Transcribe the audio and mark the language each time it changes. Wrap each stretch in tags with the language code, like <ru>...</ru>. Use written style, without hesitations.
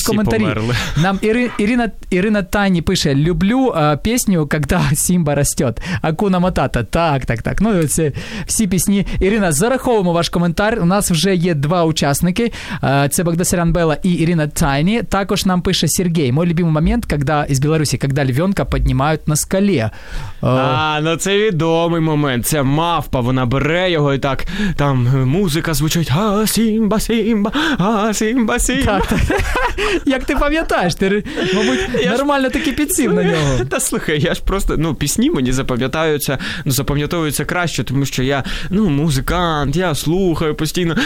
<uk>всі коментарі. Померли. Нам Ірина Тані пише: «Люблю пісню,</uk> <ru>когда Сімба растет.</ru> <uk>Акуна Матата». Так. Ну, це всі пісні. Ірина, зараховуємо ваш коментар. У нас вже є два учасники. Це Багдасарян Белла і Ірина Тайні. Також нам пише Сергій:</uk> <ru>«Мой любимый момент, когда из Беларуси, когда львенка поднимают на скале».</ru> <uk>Ну це відомий момент. Це мавпа, вона бере його і так, там музика звучить: «А, Сімба, Сімба, а, Сімба, Сімба». Так. Як ти пам'ятаєш, ти, мабуть, я нормально ж... таки підсів на нього. Та слухай, я ж просто, ну, пісні мені запам'ятаються, ну, запам'ятовуються краще, тому що я, ну, музикант, я слухаю постійно.</uk>